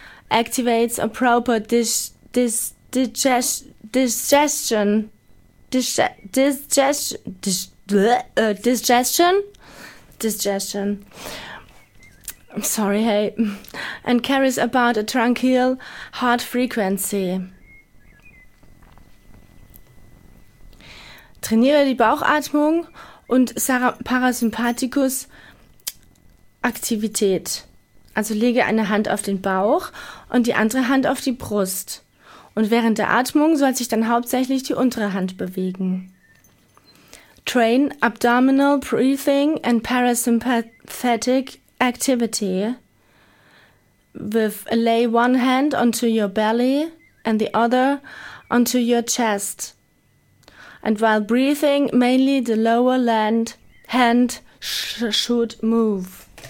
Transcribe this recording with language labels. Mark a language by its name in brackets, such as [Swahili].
[English] Activates a proper digestion. Digestion. I'm sorry, hey. And carries about a tranquil heart frequency. [German] Trainiere die Bauchatmung und Parasympathikus Aktivität. Also lege eine Hand auf den Bauch und die andere Hand auf die Brust. Und während der Atmung soll sich dann hauptsächlich die untere Hand bewegen. [English] Train abdominal breathing and parasympathetic activity with lay one hand onto your belly and the other onto your chest. And while breathing, mainly the lower hand should move.